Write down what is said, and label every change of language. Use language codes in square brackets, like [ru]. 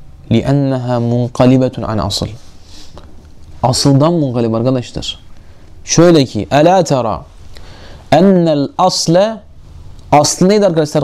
[ar] لِأَنَّهَا مُنْقَلِبَةٌ عَنْ asıl. [tr] Asıldan munkalib arkadaşlar. Şöyle ki. [ar] أَلَا تَرَى اَنَّ الْاَصْلَ [tr] Aslı neydi arkadaşlar?